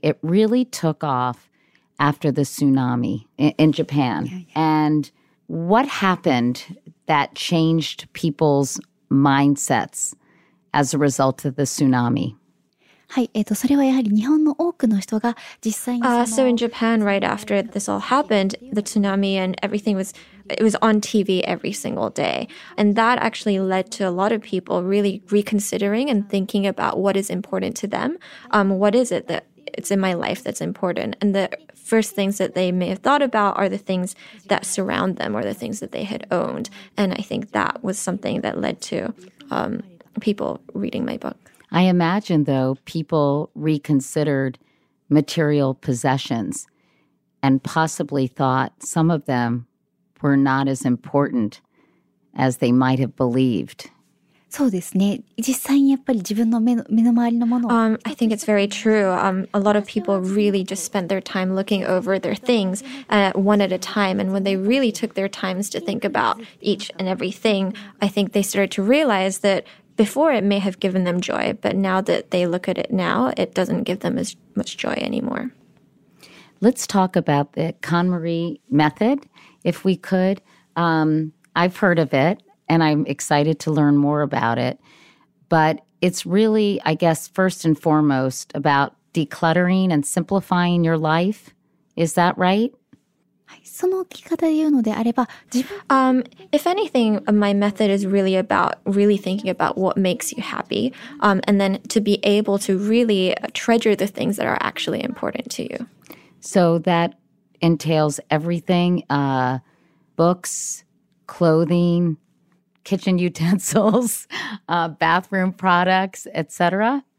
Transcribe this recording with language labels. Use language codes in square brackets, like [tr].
[en] It really took off after the tsunami in Japan. And what happened that changed people's mindsets as a result of the tsunami? [ja] はい、それはやはり日本の多くの人が実際に [en] その、So in Japan, right after this all happened, the tsunami and everything was, it was on TV every single day. And that actually led to a lot of people really reconsidering and thinking about what is important to them. What is it that it's in my life that's important? And the first things that they may have thought about are the things that surround them or the things that they had owned. And I think that was something that led to people reading my book. I imagine, though, people reconsidered material possessions and possibly thought some of them were not as important as they might have believed. [ja] そうですね。実際にやっぱり自分の目の周りのもの [en] を。I think it's very true. A lot of people really just spent their time looking over their things one at a time. And when they really took their times to think about each and everything, I think they started to realize that before it may have given them joy, but now that they look at it now, it doesn't give them as much joy anymore. Let's talk about the KonMari method, if we could. I've heard of it, and I'm excited to learn more about it. But it's really, I guess, first and foremost about decluttering and simplifying your life. Is that right? [ja] その聞き方で言うのであれば、 [en] If anything, my method is really about really thinking about what makes you happy, and then to be able to really treasure the things that are actually important to you. So that entails everything, books, clothing, kitchen utensils, bathroom products, etc.